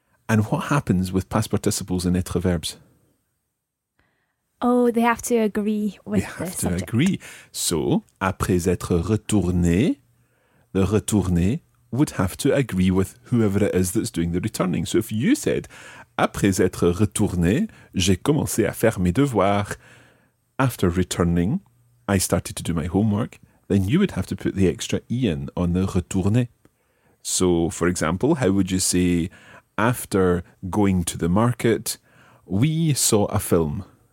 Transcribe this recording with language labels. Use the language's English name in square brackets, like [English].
[English] And what happens with past participles and être verbs? Oh, they have to agree with the subject. They have to agree. So, [French] après être retourné, [English] the retourné would have to agree with whoever it is that's doing the returning. So if you said [French] après être retourné, j'ai commencé à faire mes devoirs. [English] After returning, I started to do my homework. Then you would have to put the extra e in on the retourné. So, for example, how would you say, after going to the market, we saw a film?